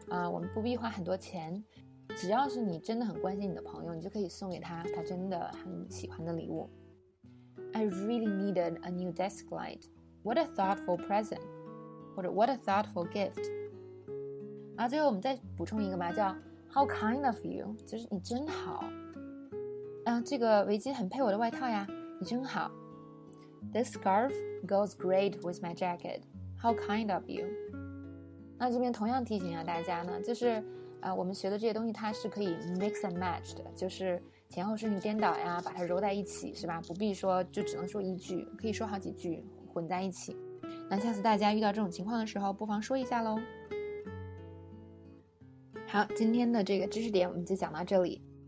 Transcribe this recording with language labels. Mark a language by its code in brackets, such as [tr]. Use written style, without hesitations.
[zh] 我们不必花很多钱只要是你真的很关心你的朋友你就可以送给他真的很喜欢的礼物 [en] I really needed a new desk light What a thoughtful present [zh] 或者 [en] What a thoughtful gift [zh] 然后最后我们再补充一个吧叫 [en] How kind of you, [zh] 就是你真好。这个围巾很配我的外套呀，你真好。 [en] This scarf goes great with my jacket. How kind of you. [zh] 那这边同样提醒一下大家呢，就是我们学的这些东西它是可以 mix and match 的，就是前后顺序颠倒呀，把它揉在一起，是吧？不必说就只能说一句，可以说好几句混在一起。那下次大家遇到这种情况的时候，不妨说一下咯。好，今天的这个知识点我们就讲到这里。